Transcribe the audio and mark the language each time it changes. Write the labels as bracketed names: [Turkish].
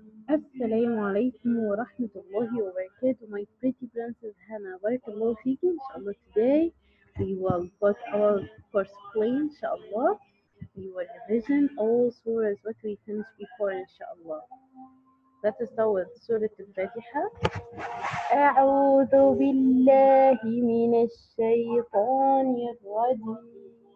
[Arabic] السلام عليكم ورحمة الله وبركاته. [English] My pretty princess Hanaa, [Arabic] بارك الله فيك. [English] إن شاء الله today we will put our first play. إن شاء الله we will revision all surahs what we finished before. إن شاء الله let's start with سورة الفاتحة. [Arabic] أعوذ بالله من الشيطان الرجيم.